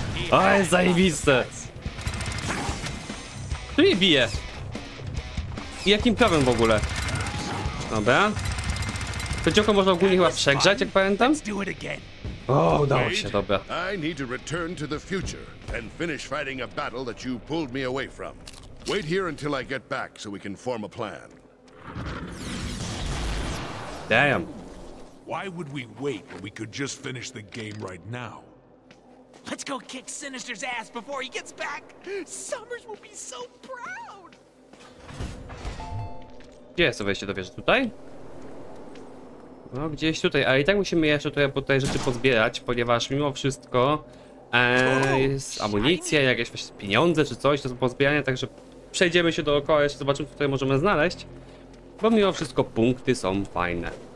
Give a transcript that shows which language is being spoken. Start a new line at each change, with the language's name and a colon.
Polish: O, jest zajebiste. Kto mnie bije? I jakim prawem w ogóle? Dobra. To działko można ogólnie chyba przegrzać, jak pamiętam. O, udało się, dobra.
English: I need to return to the future and finish fighting a battle that you pulled me away from. Wait here until I get back so we can form a plan. Damn. Why would we wait when we could just finish the game right now? Let's go kick Sinister's ass before he gets back. Summers will be so proud.
Polish: Gdzie jest to wejście do wieży? Tutaj? No, gdzieś tutaj, ale i tak musimy jeszcze tutaj rzeczy pozbierać, ponieważ mimo wszystko jest amunicja, jakieś pieniądze czy coś do pozbierania, także przejdziemy się dookoła, jeszcze zobaczymy, co tutaj możemy znaleźć, bo mimo wszystko punkty są fajne.